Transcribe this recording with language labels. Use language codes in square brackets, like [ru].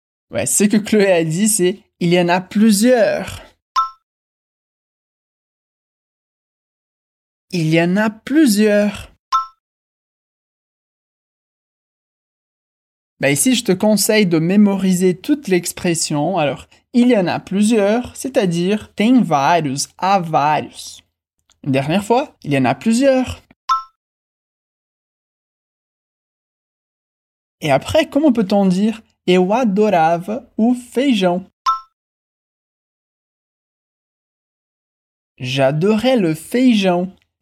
[fr] Ouais, ce que Chloé a dit, c'est il y en a plusieurs. Il y en a plusieurs. Bah ici, je te conseille de mémoriser toute l'expression. Alors, il y en a plusieurs, c'est-à-dire [pt] tem vários, há vários. [fr] Une dernière fois, il y en a plusieurs. Et après, comment peut-on dire [pt] eu adorava o feijão? [fr] J'adorais le feijão.